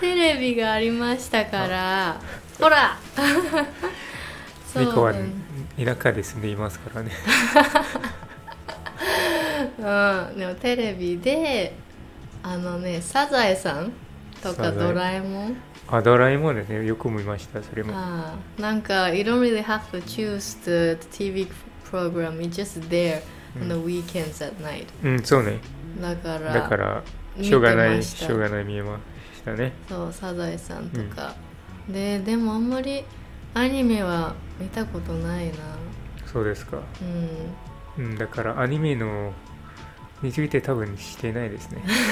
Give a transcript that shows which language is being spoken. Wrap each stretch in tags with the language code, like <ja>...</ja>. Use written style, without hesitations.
<ja>テレビがありましたから。ほら、そう、ね、猫は田舎で住んでいますからね。うん、でもテレビで、あのね、サザエさんとかドラえもん。あ、ドラえもんですね。よく見ました、それも。ああ、なんか、</ja> <en>you don't really have to choose the TV program. It's just there on the weekends at night.</en> <ja>うん、そうね。だから、しょうがない、しょうがない見えましたね。そう、サザエさんとか。うん、でもあんまりアニメは見たことないな。そうですか。うん。うん、だからアニメの、について多分してないですね。</ja>